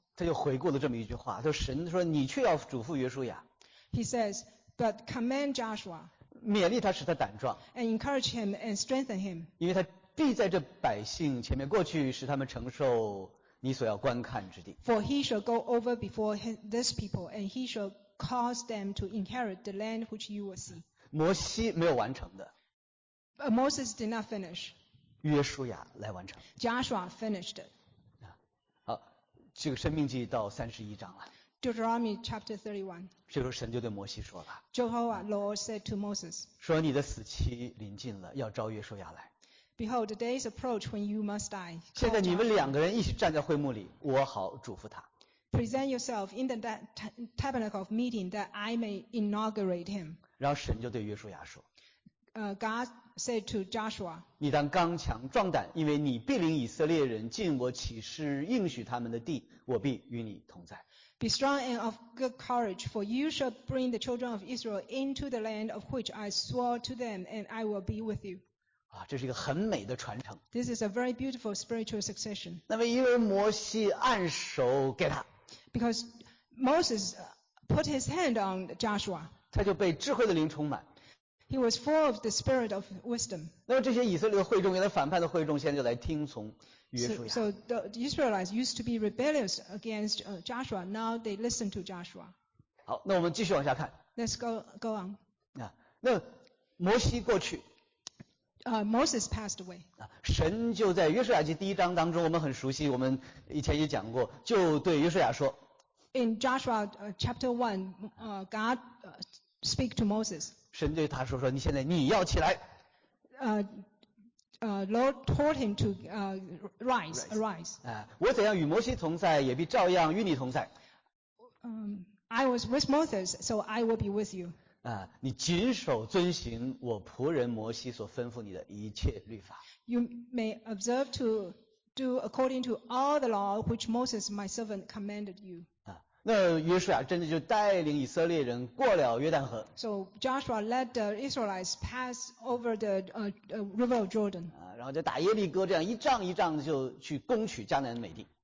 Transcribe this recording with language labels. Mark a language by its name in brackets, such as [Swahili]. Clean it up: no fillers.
[Chinese] 他就回顾了这么一句话，就神说你却要嘱咐约书亚。 [English] He says, but command Joshua. [Chinese] 勉励他使他胆壮。 [English] And encourage him and strengthen him. [Chinese] 因为他必在这百姓前面过去，使他们承受你所要观看之地。 [English] For he shall go over before this people, and he shall cause them to inherit the land which you will see. [Chinese] 摩西没有完成的。 [English] Moses did not finish. [Chinese] 约书亚来完成。 [English] Joshua finished it. [Chinese] 好，这个《申命记》到三十一章了。 [English] Deuteronomy chapter 31. [Chinese] 这时候神就对摩西说了。 [English] Jehovah, Lord said to Moses. [Chinese] 说你的死期临近了，要召约书亚来。 [English] Behold, the days approach when you must die. [Chinese] 现在你们两个人一起站在会幕里，我好嘱咐他。 [English] Present yourself in the tabernacle of meeting that I may inaugurate him. [Chinese] 然后神就对约书亚说。 [English] God said to Joshua, [Chinese] 你当刚强壮胆，因为你必领以色列人进我起誓应许他们的地，我必与你同在。 [English] Be strong and of good courage, for you shall bring the children of Israel into the land of which I swore to them, and I will be with you. [Chinese] 啊，这是一个很美的传承。 [English] This is a very beautiful spiritual succession. [Chinese] 那么因为摩西按手给他， [English] Because Moses put his hand on Joshua, [Chinese] 他就被智慧的灵充满。 [English] He was full of the spirit of wisdom. [Chinese] 那么这些以色列的会众，原来反叛的会众，现在就来听从约书亚。 [English] So the Israelites used to be rebellious against Joshua. Now they listen to Joshua. [Chinese] 好，那我们继续往下看。 [English] Let's go on. [Chinese] 啊，那摩西过去。 [English] Moses passed away. [Chinese] 啊，神就在约书亚记第一章当中，我们很熟悉，我们以前也讲过，就对约书亚说。 [English] In Joshua chapter 1, God speak to Moses. [Chinese] 神对他说，你现在你要起来。 [English] Lord told him to arise. [Chinese] 我怎样与摩西同在，也必照样与你同在。 [English] I was with Moses, so I will be with you. [Chinese] 你谨守遵行我仆人摩西所吩咐你的一切律法。 [English] You may observe to do according to all the law which Moses my servant commanded you. [Chinese] 那约书亚真的就带领以色列人过了约旦河。 [English] So Joshua led the Israelites pass over the river of Jordan. [Chinese] 然后就打耶利哥，这样一仗一仗就去攻取迦南美地。